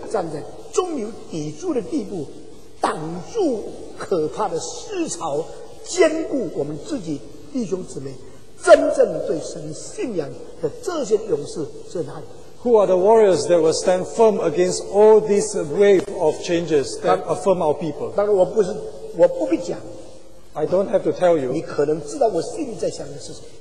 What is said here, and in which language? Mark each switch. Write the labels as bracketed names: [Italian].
[Chinese] 站在中流砥柱的地步, 挡住可怕的思潮, 坚固我们自己弟兄姊妹, 真正对神信仰的这些勇士在哪里? [English] Who are the warriors that will stand firm against all this wave of changes that affirm our people? [Chinese] 当然我不是，我不必讲。 [English] I don't have to tell you. [Chinese] 你可能知道我心里在想的是什么。